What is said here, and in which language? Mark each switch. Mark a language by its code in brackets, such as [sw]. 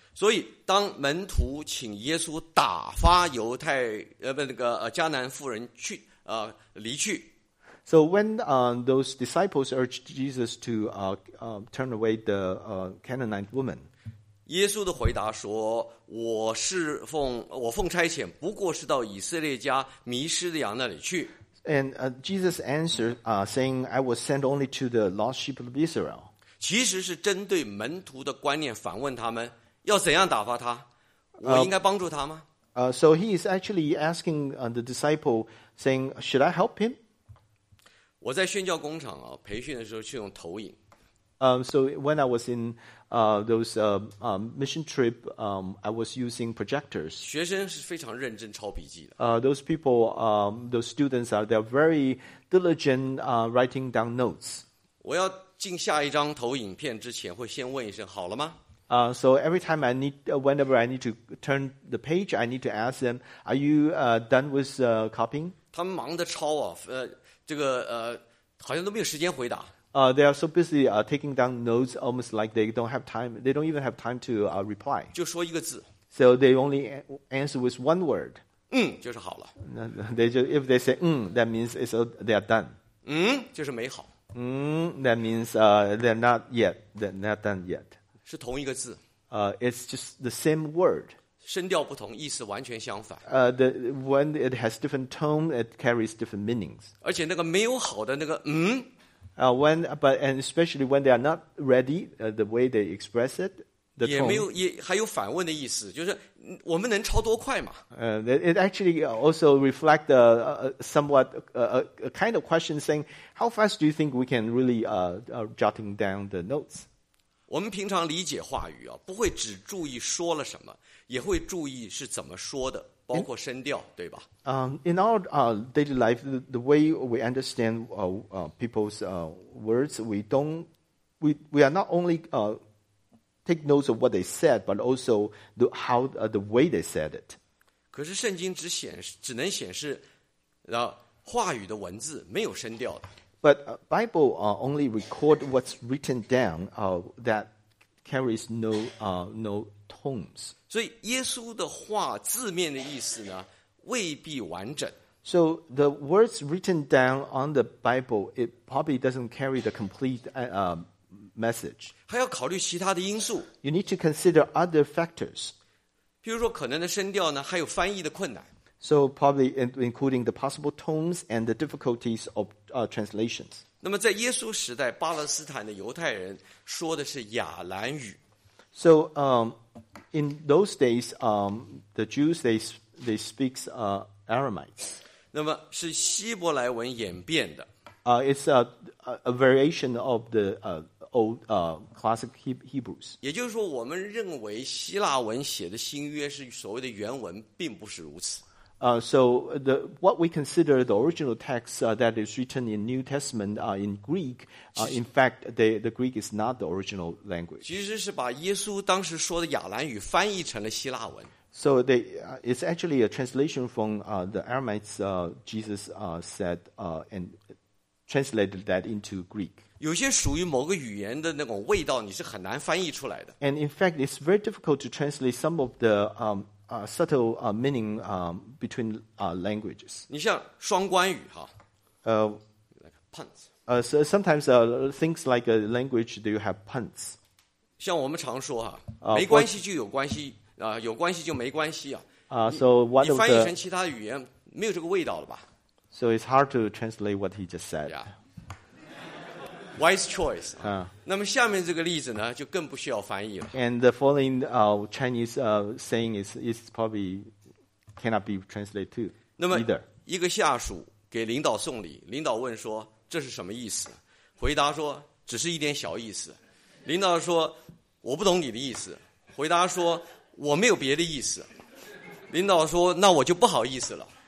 [zh] 所以当门徒请耶稣打发犹太迦南妇人去离去。 [en] So when those disciples urged Jesus to turn away the Canaanite woman, [zh] 耶稣的回答说，我是奉，我奉差遣，不过是到以色列家迷失的羊那里去。 [en] And Jesus answered, saying, I was sent only to the lost sheep of Israel. [zh] 其实是针对门徒的观念反问他们，要怎样打发他？我应该帮助他吗？ [en] So he is actually asking the disciple, saying, should I help him? [zh] 我在宣教工厂啊，培训的时候是用投影。 [en] So when I was in mission trip, I was using projectors. [zh] 学生是非常认真抄笔记的。 [en] Those people, those students are, they're very diligent, writing down notes. [zh] 我要进下一张投影片之前会先问一声好了吗？ [en] So every time I need, whenever I need to turn the page, I need to ask them, are you, done with, copying? [zh] 他们忙得抄啊，这个好像都没有时间回答。 [en] They are so busy taking down notes, almost like they don't have time. They don't even have time to reply. [zh] 就说一个字。 [en] So they only answer with one word. [zh] 嗯，就是好了。 [en] They just, if they say 嗯, that means it's they are done. [zh] 嗯，就是没好。 [en] 嗯, that means they're not yet. They're not done yet. [zh] 是同一个字。 [en] It's just the same word. [zh] 声调不同，意思完全相反。 [en] The when it has different tone, it carries different meanings. [zh] 而且那个没有好的那个嗯。 [en] When but and especially when they are not ready, the way they express it, the tone. [zh] 也没有也还有反问的意思，就是我们能抄多快嘛？ [en] It actually also reflect a somewhat a kind of question, saying, "How fast do you think we can really jotting down the notes?" [zh] 我们平常理解话语啊，不会只注意说了什么，也会注意是怎么说的。包括声调，对吧？ [en] In our daily life, the way we understand people's words, we are not only take notes of what they said, but also the way they said it. [zh] 可是圣经只能显示，话语的文字没有声调的。 [en] But Bible only record what's written down that carries no tones. [zh] 所以耶稣的话字面的意思呢未必完整。 [en] So the words written down on the Bible, it probably doesn't carry the complete message. [zh] 还要考虑其他的因素。 [en] You need to consider other factors. [zh] 比如说可能的声调呢还有翻译的困难。 [en] So probably including the possible tones and the difficulties of translations. [zh] 那么在耶稣时代巴勒斯坦的犹太人说的是亚兰语。 [en] So, in those days, the Jews, they speak Aramaic. [zh] 那么是希伯来文演变的。 [en] It's a variation of the old classic Hebrews. [zh] 也就是说我们认为希腊文写的新约是所谓的原文并不是如此。 [en] So, what we consider the original text that is written in New Testament in Greek, in fact, the Greek is not the original language. [zh] 其实是把耶稣当时说的亚兰语翻译成了希腊文。 [en] So, it's actually a translation from the Aramaic Jesus said and translated that into Greek. [zh] 有些属于某个语言的那种味道，你是很难翻译出来的。 [en] And in fact, it's very difficult to translate some of the subtle meaning between languages. [zh] 你像双关语哈。 [en] Like puns. So sometimes things like a language, do you have puns? [zh] 像我们常说哈，没关系就有关系啊，有关系就没关系啊。 [en] So one of the [zh] 你翻译成其他语言没有这个味道了吧 [en] ？So it's hard to translate what he just said. Yeah. Wise choice. [zh] 那么下面这个例子呢，就更不需要翻译了。 [en] And the following Chinese saying is probably cannot be translated too. [zh] 那么一个下属给领导送礼，领导问说这是什么意思？回答说只是一点小意思。领导说我不懂你的意思。回答说我没有别的意思。领导说那我就不好意思了。